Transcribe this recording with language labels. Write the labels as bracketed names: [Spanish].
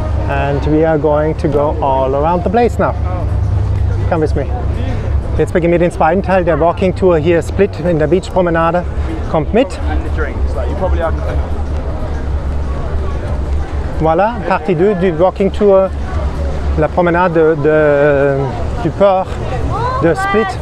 [English] And we are going to go all around the place now. Come with me. [German] Jetzt beginnen wir den zweiten Teil der Walking Tour hier Split in der Beach Promenade. Kommt mit. [French] Voilà, partie 2 du Walking Tour, la promenade du port de Split.